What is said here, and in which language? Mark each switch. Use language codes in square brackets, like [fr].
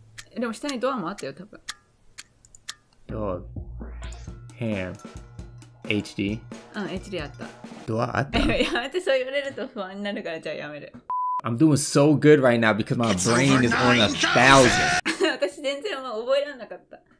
[ja] え、でも下にドアもあったよ、多分。 [en] Dog. Ham. HD? [ja] うん、HD あった。ドアあった？やめて、そう言われると不安になるから、じゃあやめる。 [en] I'm doing so good right now because my brain is on a thousand. [ja] 私全然覚えられなかった。